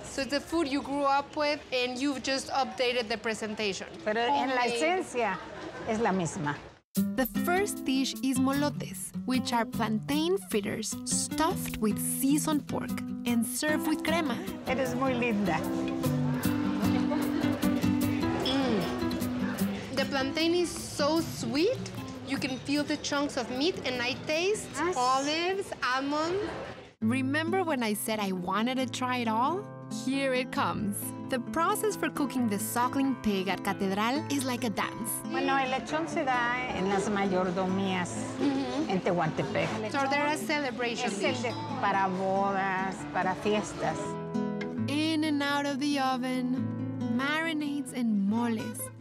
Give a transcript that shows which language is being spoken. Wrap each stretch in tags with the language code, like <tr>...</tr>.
<en>So it's the food you grew up with, and you've just updated the presentation.</en> <es>Pero en la esencia es la misma.</es> <en>The first dish is molotes, which are plantain fritters stuffed with seasoned pork and served with crema.</en> <es>Eres muy linda.</es> <en>The plantain is so sweet. You can feel the chunks of meat, and I taste olives, almonds. Remember when I said I wanted to try it all? Here it comes. The process for cooking the suckling pig at Catedral is like a dance.</en> <es>Bueno, el lechón se da en las mayordomías en Tehuantepec.</es> <en>So there are celebrations.</en> <es>Es el de para bodas, para fiestas.</es> <en>In and out of the oven, marinades and moles.</en>